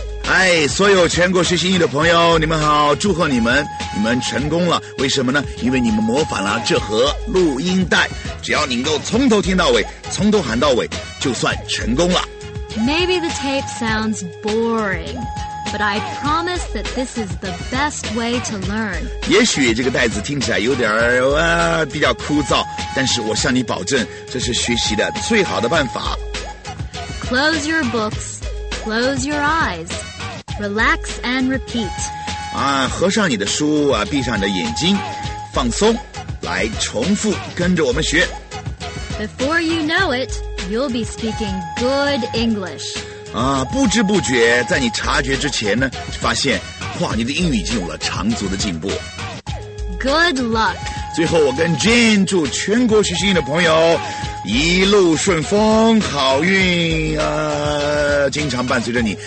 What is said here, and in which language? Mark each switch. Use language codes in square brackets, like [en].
[zh] Hi, 所有全国学习英语的朋友，你们好，祝贺你们，你们成功了。为什么呢？因为你们模仿了这盒录音带。只要你能够从头听到尾，从头喊到尾，就算成功了。 [en] Maybe the tape sounds boring, but I promise that this is the best way to learn. [zh] 也许这个袋子听起来有点儿比较枯燥。但是我向你保证，这是学习的最好的办法。 [en] Close your books, close your eyes, relax and repeat. [zh] 啊，合上你的书啊，闭上你的眼睛，放松，来重复，跟着我们学。 [en] Before you know it, you'll be speaking good English. [zh] 啊，不知不觉，在你察觉之前呢，发现，哇，你的英语已经有了长足的进步。 [en] Good luck. [zh] 最后我跟 Jane 祝全国学习英语的朋友一路顺风好运啊，经常伴随着你。